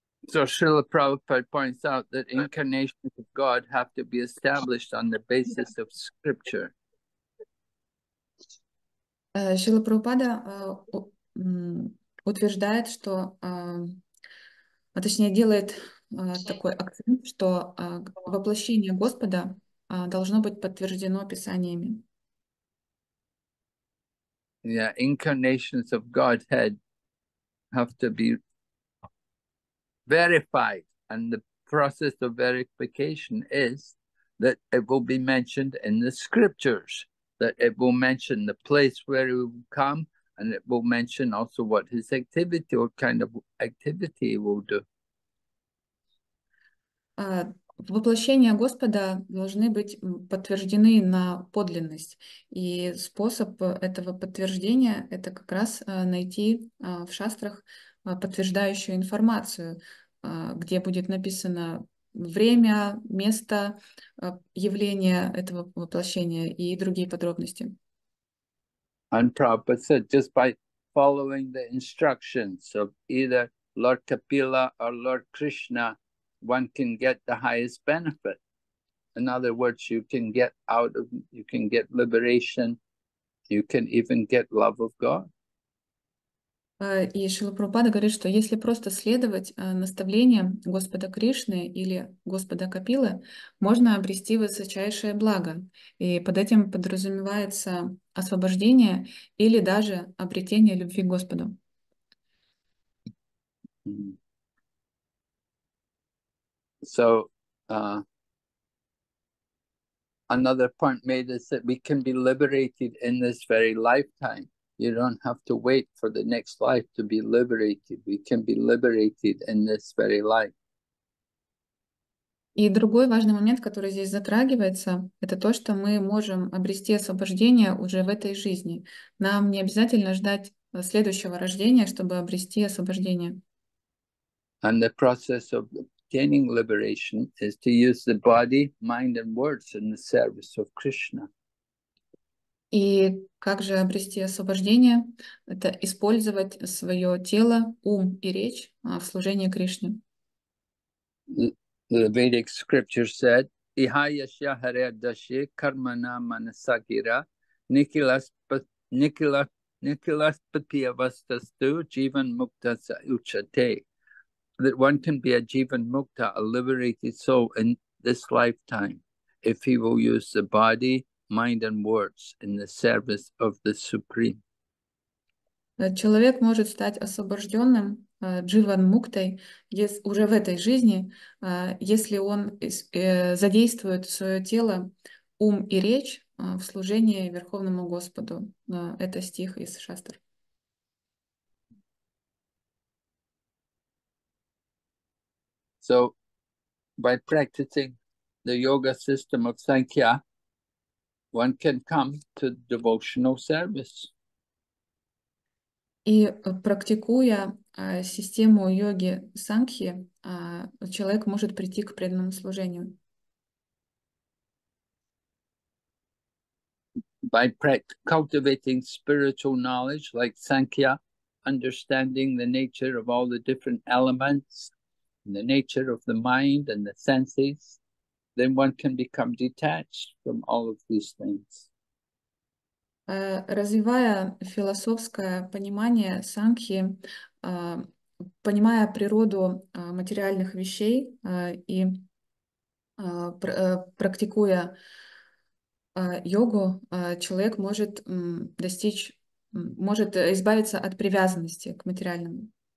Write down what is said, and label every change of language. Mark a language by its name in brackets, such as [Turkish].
[English] So Srila Prabhupada points out that incarnations of God have to be established on the basis of scripture. [Russian] Шрила Прабхупада утверждает, что, а точнее делает такой акцент, что воплощение Господа должно быть подтверждено писаниями. [English] Yeah, incarnations of Godhead have to be verified, and the process of verification is that it will be mentioned in the scriptures, that it will mention the place where he will come, and it will mention also what his activity, what kind of activity he will do. [Russian] Воплощения Господа должны быть подтверждены на подлинность. И способ этого подтверждения – это как раз найти в шастрах подтверждающую информацию, где будет написано время, место явления этого воплощения и другие подробности. [English] And Prabhupada said, just by following the instructions of either Lord Kapila or Lord Krishna, one can get the highest benefit. In other words, you can get out of, you can get liberation, you can even get love of God. [Russian] И Шрила Прабхупада говорит, что если просто следовать наставлениям Господа Кришны или Господа Капилы, можно обрести высочайшее благо. И под этим подразумевается освобождение или даже обретение любви к Господу. [English] So, another point made is that we can be liberated in this very lifetime. You don't have to wait for the next life to be liberated. We can be liberated in this very life. [Russian] И другой важный момент, который здесь затрагивается, это то, что мы можем обрести освобождение уже в этой жизни. Нам не обязательно ждать следующего рождения, чтобы обрести освобождение. [English] And the process of obtaining liberation is to use the body, mind and words in the service of Krishna. [Russian] И как же обрести освобождение? Это использовать свое тело, ум и речь в служении Кришне. [English] The Vedic scripture said, [Sanskrit] Ihayasya hare dashi karmana manasagira nikilas nikilas nikilas patiyavastastu jivan mukta sa uchate. [English] That one can be a jivan mukta, a liberated soul in this lifetime, if he will use the body, mind and words in the service of the Supreme. [Russian] Человек может стать освобожденным дживан муктой уже в этой жизни, если он задействует свое тело, ум и речь в служении Верховному Господу. Это стих из шастр. [English] So, by practicing the yoga system of Sankhya, one can come to devotional service. [Russian] И практикуя систему йоги Сангхи, человек может прийти к преданному служению. [English] By cultivating spiritual knowledge like Sankhya, understanding the nature of all the different elements, the nature of the mind and the senses, then one can become detached from all of these things. [Russian] Развивая философское понимание Сангхи, понимая природу материальных вещей и практикуя йогу, человек может достичь, может избавиться от привязанности к материальному.